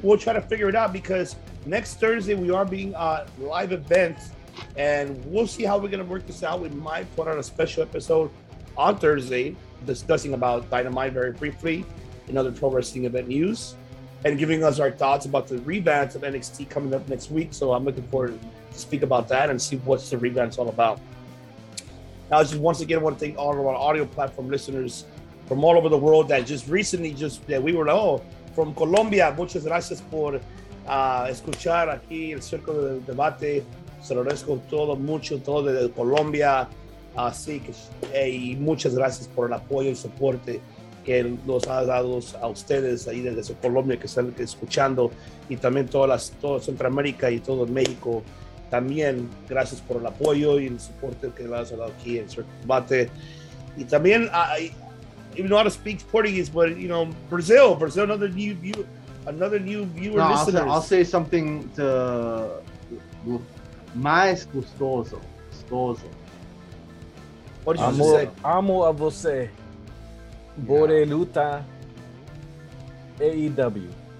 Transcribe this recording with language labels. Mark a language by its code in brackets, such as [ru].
[en] We'll try to figure it out, because next Thursday we are being a live event, and we'll see how we're going to work this out. We might put out a special episode on Thursday discussing about Dynamite very briefly, another pro wrestling event news, and giving us our thoughts about the revamp of NXT coming up next week. So I'm looking forward to speak about that and see what the revamp's all about. Now, just once again, I want to thank all of our audio platform listeners from all over the world that just recently, from Colombia. [es] Muchas gracias por escuchar aquí el Círculo del Debate. Se lo agradezco todo mucho, todo desde Colombia. Y muchas gracias por el apoyo y soporte que nos ha dado a ustedes ahí desde Colombia, que están escuchando, y también todo Centroamérica y todo México. También gracias por el apoyo y el soporte que nos ha dado aquí en Circo Combate. Y también, [en] even though I don't speak Portuguese, but, you know, Brazil, another new viewer, listeners. I'll say something to [pt] mais gostoso. [en] What did you just say? [pt] Amo a você. Bore luta AEW.